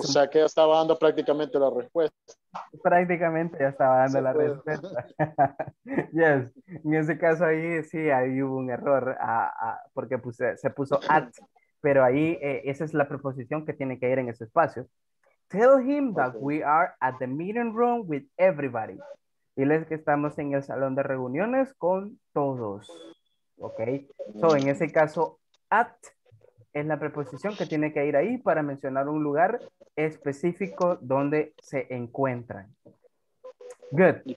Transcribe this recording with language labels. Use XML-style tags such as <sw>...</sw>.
<es>O sea, que ya estaba dando prácticamente la respuesta. Prácticamente ya estaba dando la respuesta.</es> <en>Yes.</en> <es>En ese caso ahí, sí, ahí hubo un error porque se puso at, pero ahí esa es la preposición que tiene que ir en ese espacio.</es> <en>Tell him that we are at the meeting room with everybody.</en> <es>Diles que estamos en el salón de reuniones con todos. Ok. So, en ese caso, at es la preposición que tiene que ir ahí para mencionar un lugar específico donde se encuentran.</es> <en>Good.</en>